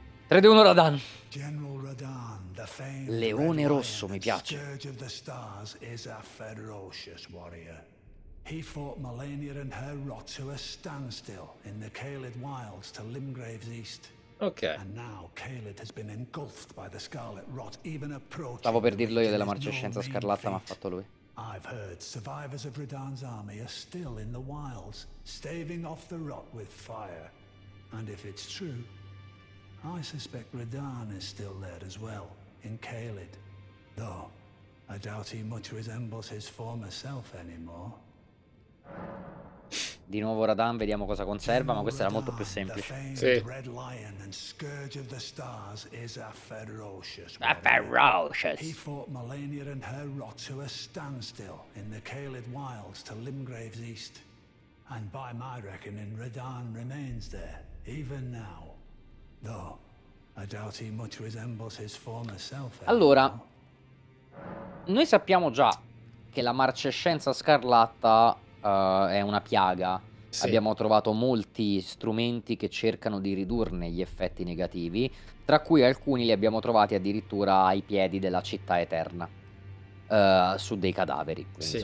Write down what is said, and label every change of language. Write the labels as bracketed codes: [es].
[en] 3-2-1 Radahn. General Radahn, the famed Leone Rosso, [it] mi piace. [en] Scourge of the Stars is a ferocious warrior. He fought Melania and her rot to a standstill in the Caelid Wilds to Limgrave's east. Okay. And now Caelid has been engulfed by the Scarlet Rot, even approaching. [it] Stavo per dirlo io della Marcescenza Scarlatta, ma ha fatto lui. [en] I've heard survivors of Radahn's army are still in the wilds, staving off the rot with fire. And if it's true. I suspect Radahn is still there as well, in Caelid. Though, I doubt he much resembles his former self anymore. [it] di nuovo Radahn, vediamo cosa conserva, ma questa era molto più semplice. Sì. [en] Red Lion and Scourge of the Stars is a ferocious. A ferocious. He fought Melania and her rot to a standstill in the Caelid Wilds to Limgrave's East. And by my reckoning, Radahn remains there, even now. Though, I doubt he much resembles his former self. [it] Allora, noi sappiamo già che la marcescenza scarlatta è una piaga. Sì. Abbiamo trovato molti strumenti che cercano di ridurne gli effetti negativi, tra cui alcuni li abbiamo trovati addirittura ai piedi della città eterna, su dei cadaveri, quindi,